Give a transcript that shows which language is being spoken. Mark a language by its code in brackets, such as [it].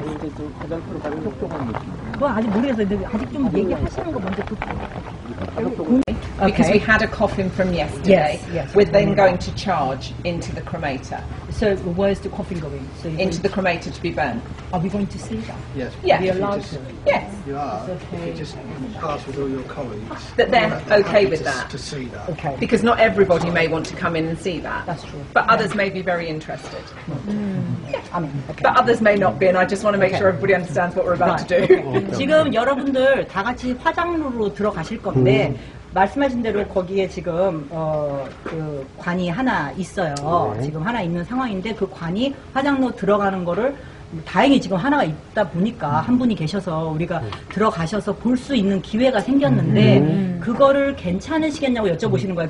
[ko] 이제도 화장품으로 가는 속도감이 있습니다. 뭐 아직 모르겠어요. 근데 아직 좀 얘기하시는 거 먼저 듣고. [en] Okay. Because we had a coffin from yesterday, yes, yes, we're then going to charge into the cremator. So where's the coffin going? So into the cremator to be burned. Are we going to see that? Yes. Yes. We are just, yes. You are. Okay. If you just pass with all your colleagues. That they're okay with that. To see that. Okay. Because not everybody may want to come in and see that. That's true. But others may be very interested. Yeah. I mean, okay. But others may not be, and I just want to make sure everybody understands what we're about to do. [ko] 지금 여러분들 다 같이 화장으로 들어가실 건데. 말씀하신 대로 거기에 지금 그 관이 하나 있어요. 네. 지금 하나 있는 상황인데 그 관이 화장로 들어가는 거를 다행히 지금 하나가 있다 보니까 한 분이 계셔서 우리가 들어가셔서 볼 수 있는 기회가 생겼는데 그거를 괜찮으시겠냐고 여쭤보시는 거예요.